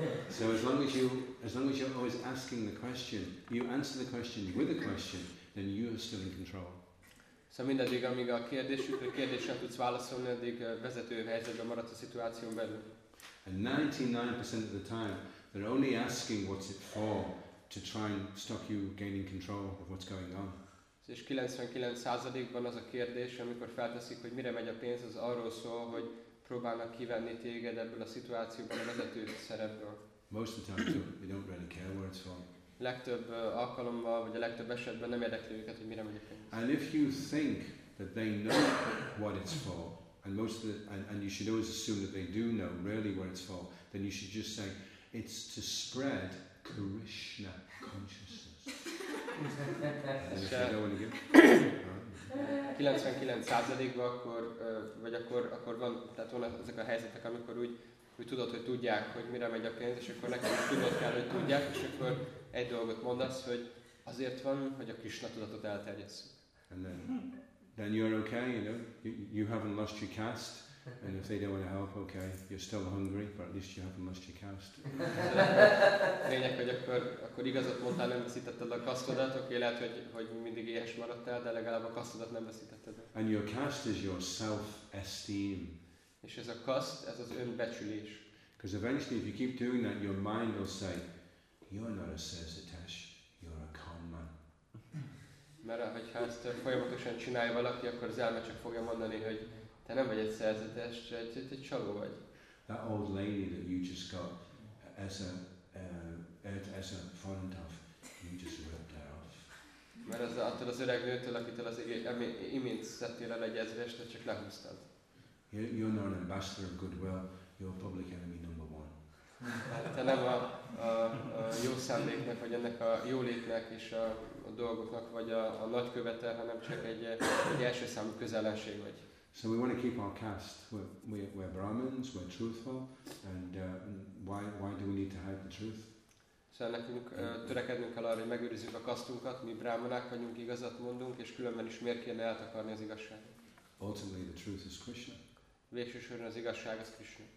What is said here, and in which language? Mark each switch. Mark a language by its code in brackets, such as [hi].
[en] So as long as you're always asking the question, you answer the question with a question, then you are still in control. [hu] So mindaddig, amíg a kérdésre tudsz válaszolni, addig vezető helyzetben marad a szituáción belül. [en] And 99% of the time, they're only asking what's it for to try and stop you gaining control of what's going on. [hu] És 99%-ban az a kérdés, amikor felteszik, hogy mire megy a pénz, az arról szól, hogy próbálnak kivenni téged ebből a szituációban a vezető szerepről. [en] Most of the time, they don't really care where it's from. [hu] Legtöbb alkalommal, vagy a legtöbb esetben nem érdekli őket, hogy mire megy a pénz. [en] And if you think that they know what it's for, and most of the, and you should always assume that they do know really where it's for, then you should just say, it's to spread Krishna consciousness. And if you don't want to give [hu] 99%-ban akkor, vagy akkor van, tehát vannak ezek a helyzetek, amikor úgy tudod, hogy tudják, hogy mire megy a pénz, és akkor neked is tudod kell, hogy tudják, és akkor egy dolgot mondasz, hogy azért van, hogy a Krisna tudatot elterjesszük. [en] And then you're okay, you know, you haven't lost your caste, and if they don't want to help, okay, you're still hungry, but at least you haven't lost your caste. [hu] Lényeg, hogy akkor igazat mondtál, nem veszítetted a kasztodat, oké, lehet, hogy mindig éhes maradtál, de legalább a kasztodat nem veszítetted. [en] And your caste is your self-esteem. [hu] És ez a kaszt, ez az önbecsülés. [en] Because eventually, if you keep doing that, your mind will say, you're not a szerzetes, you're a con man. [hu] Mert ha ezt folyamatosan csinálja valaki, akkor az elme csak fogja mondani, hogy te nem vagy egy szerzetes, te egy csaló vagy. [en] That old lady that you just got as a front of, you just ripped her off. [hu] Mert az attól az öreg nőtől, akitől az imént szedtél el egy ezrest, te csak lehúztad. [en] You're not an ambassador of goodwill, you're a public enemy number one. [hu] Te nem a jó szándéknek, vagy ennek a jólétnek és a dolgoknak, vagy a nagykövete, hanem csak egy első számú közellenség vagy. [en] So we want to keep our caste. We're Brahmins, we're truthful, and why do we need to hide the truth? [hu] Szóval nekünk törekednünk kell arra, hogy megőrizzük a kasztunkat, mi brámanák vagyunk, igazat mondunk, és különben is miért kéne eltakarni az igazságot. [en] Ultimately the truth is Krishna. [hu] Végsősorban az igazság az Krishna.